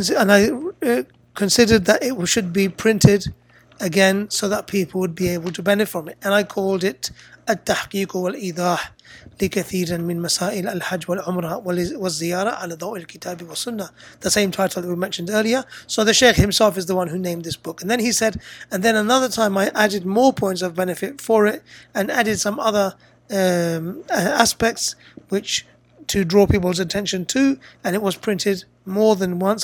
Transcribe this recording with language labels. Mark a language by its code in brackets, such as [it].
[en] And I considered that it should be printed again so that people would be able to benefit from it. And I called it At-Tahqiq wal-Idah [ar] لِكَثِيرًا مِنْ مَسَائِلَ الْحَجْ وَالْعُمْرَةَ وَالزِّيَارَةَ عَلَى ضَوْءِ الْكِتَابِ وَالسُنَّةِ. [en] The same title that we mentioned earlier. So the Shaykh himself is the one who named this book. And then he said, and then another time I added more points of benefit for it and added some other aspects which to draw people's attention to, and it was printed more than once.